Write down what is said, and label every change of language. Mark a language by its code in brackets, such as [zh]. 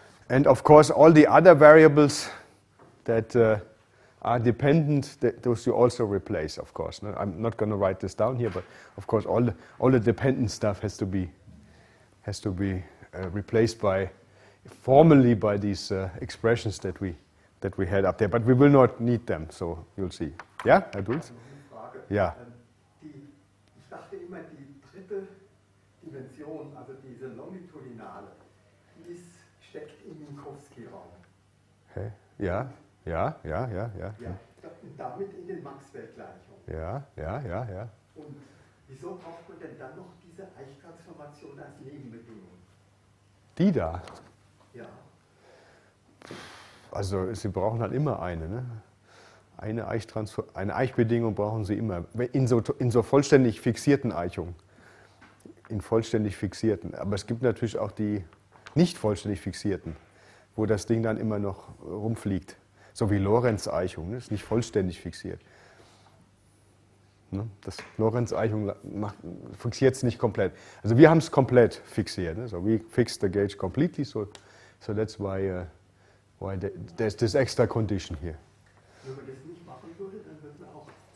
[en] And of course, all the other variables that are dependent, those you also replace, of course. No, I'm not going to write this down here, but of course, all the dependent stuff has to be replaced formally by these expressions that we had up there. But we will not need them, so you'll see. Yeah, Herr Dulz? Yeah. [de] Ich dachte immer, die dritte Dimension, also diese longitudinale, steckt in Minkowski-Raum. Hey, ja. Ja. Und damit in den Maxwell-Gleichungen. Ja. Und wieso braucht man denn dann noch diese Eichtransformation als Nebenbedingung? Die da? Ja. Also Sie brauchen halt immer eine, ne? Eine Eichbedingung brauchen Sie immer. In so vollständig fixierten Eichungen. In vollständig fixierten. Aber es gibt natürlich auch die nicht vollständig fixierten, wo das Ding dann immer noch rumfliegt. So wie Lorentz-Eichung, ist nicht vollständig fixiert. Das Lorentz-Eichung fixiert es nicht komplett. Also wir haben es komplett fixiert. [en] So we fix the gauge completely, so that's why there's this extra condition here. [de] Wenn man das nicht machen würde, dann würde man auch